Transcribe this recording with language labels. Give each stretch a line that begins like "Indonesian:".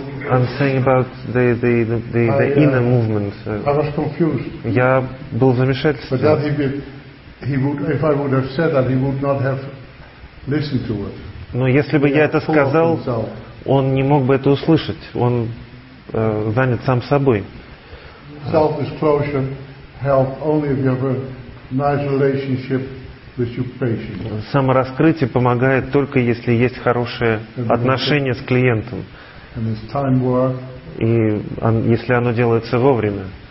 English: I'm saying about the inner movement. I was confused.
Russian: Я был в замешательстве.
English: But that he would, if I would have said that, he would not have listened to it.
Russian: Но если бы я это сказал, он не мог бы это услышать. Он занят сам собой.
English: Self-disclosure help only if you have a nice relationship with your patient.
Russian: Самораскрытие помогает только если есть хорошее отношение с клиентом.
English: And it's time work.
Russian: И если оно делается вовремя.